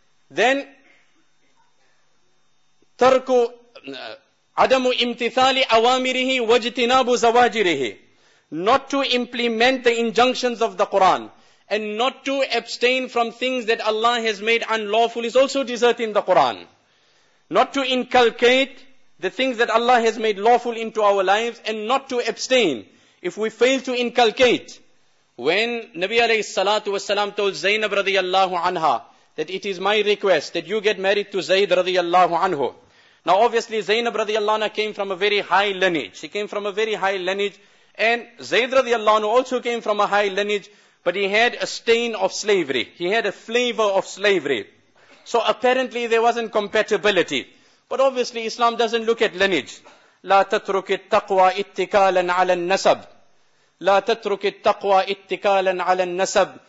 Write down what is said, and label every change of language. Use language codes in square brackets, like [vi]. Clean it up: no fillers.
[ar] Then, تَرْكُ عَدَمُ إِمْتِثَالِ أَوَامِرِهِ وَاجْتِنَابُ زَوَاجِرِهِ. [en] Not to implement the injunctions of the Qur'an and not to abstain from things that Allah has made unlawful is also deserting the Qur'an. Not to inculcate the things that Allah has made lawful into our lives and not to abstain. If we fail to inculcate, when Nabi alayhi salatu wasalam told Zainab radiyallahu anha, that it is my request that you get married to Zayd radiyallahu anhu. Now obviously Zainab radiyallahu anha came from a very high lineage. She came from a very high lineage. And Zayd radiyallahu anhu also came from a high lineage. But he had a stain of slavery. He had a flavor of slavery. So apparently there wasn't compatibility. But obviously Islam doesn't look at lineage. [ar] لا تترك التقوى اتكالا على النسب. لا تترك التقوى اتكالا على النسب.